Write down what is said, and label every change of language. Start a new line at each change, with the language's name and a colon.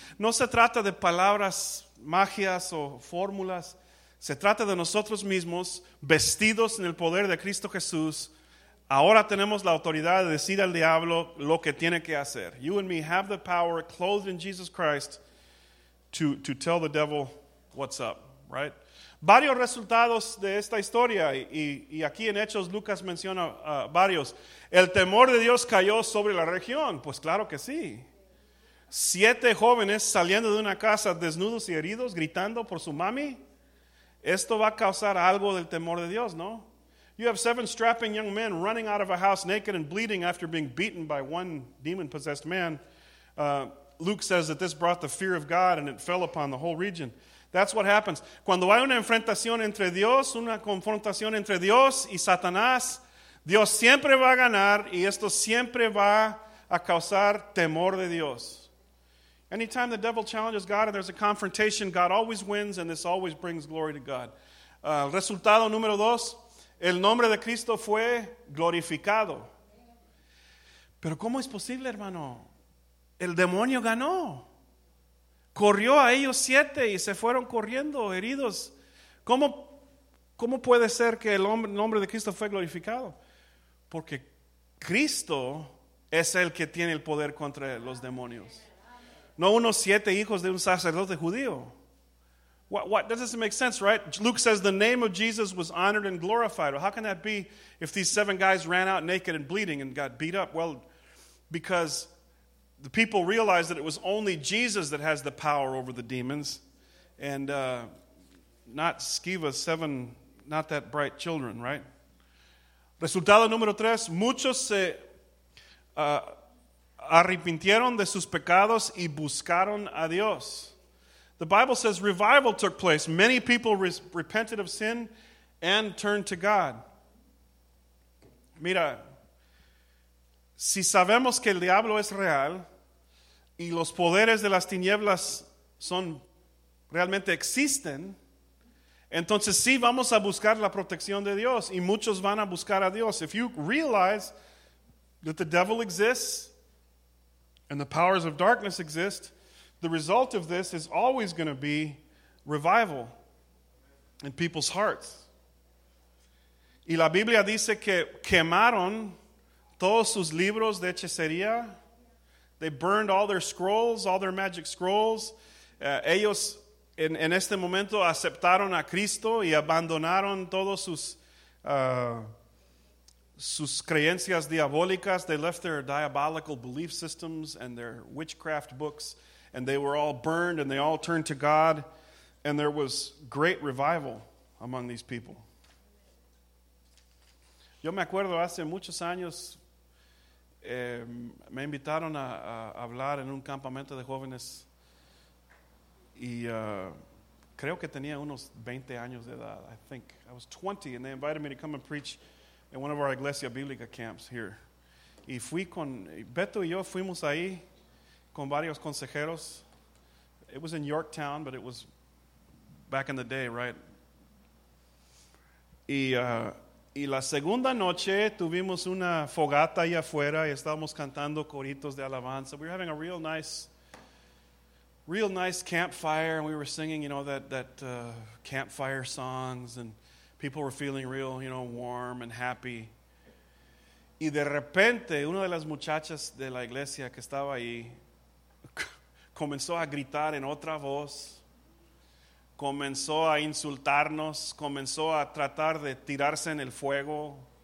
Spanish: No se trata de palabras, magias o fórmulas. Se trata de nosotros mismos vestidos en el poder de Cristo Jesús. Ahora tenemos la autoridad de decir al diablo lo que tiene que hacer.
English: You and me have the power clothed in Jesus Christ to tell the devil what's up, right?
Spanish: Varios resultados de esta historia y aquí en Hechos Lucas menciona varios. El temor de Dios cayó sobre la región. Pues claro que sí. Siete jóvenes saliendo de una casa desnudos y heridos gritando por su mami. Esto va a causar algo del temor de Dios, ¿no?
English: You have seven strapping young men running out of a house naked and bleeding after being beaten by one demon-possessed man. Luke says that this brought the fear of God and it fell upon the whole region. That's what happens.
Spanish: Cuando hay una enfrentación entre Dios, una confrontación entre Dios y Satanás, Dios siempre va a ganar y esto siempre va a causar temor de Dios.
English: Anytime the devil challenges God and there's a confrontation, God always wins and this always brings glory to God.
Spanish: Resultado número dos, el nombre de Cristo fue glorificado. Pero ¿cómo es posible, hermano? El demonio ganó. Corrió a ellos siete y se fueron corriendo heridos. ¿Cómo puede ser que el nombre de Cristo fue glorificado? Porque Cristo es el que tiene el poder contra los demonios. No unos siete hijos de un sacerdote judío.
English: What? That doesn't make sense, right? Luke says the name of Jesus was honored and glorified. Well, how can that be if these seven guys ran out naked and bleeding and got beat up? Well, because the people realized that it was only Jesus that has the power over the demons and not Sceva's seven, not that bright children, right?
Spanish: Resultado número tres, muchos se arrepintieron de sus pecados y buscaron a Dios.
English: The Bible says revival took place. Many people repented of sin and turned to God.
Spanish: Mira, si sabemos que el diablo es real y los poderes de las tinieblas son realmente existen, entonces sí vamos a buscar la protección de Dios y muchos van a buscar a Dios.
English: If you realize that the devil exists and the powers of darkness exist, the result of this is always going to be revival in people's hearts.
Spanish: Y la Biblia dice que quemaron todos sus libros de hechicería.
English: They burned all their scrolls, all their magic scrolls.
Spanish: Ellos en este momento aceptaron a Cristo y abandonaron todos sus creencias diabólicas.
English: They left their diabolical belief systems and their witchcraft books, and they were all burned and they all turned to God, and there was great revival among these people.
Spanish: Yo me acuerdo hace muchos años. Me invitaron a hablar en un campamento de jóvenes y creo que tenía unos 20 años de edad.
English: I think I was 20 and they invited me to come and preach in one of our Iglesia Biblica camps here.
Spanish: Y fui con Beto y yo fuimos ahí con varios consejeros.
English: It was in Yorktown, but it was back in the day, right?
Spanish: Y la segunda noche tuvimos una fogata allá afuera y estábamos cantando coritos de alabanza.
English: We were having a real nice campfire, and we were singing, you know, that campfire songs, and people were feeling real, you know, warm and happy.
Spanish: Y de repente, una de las muchachas de la iglesia que estaba ahí comenzó a gritar en otra voz, comenzó a insultarnos, comenzó a tratar de tirarse en el fuego.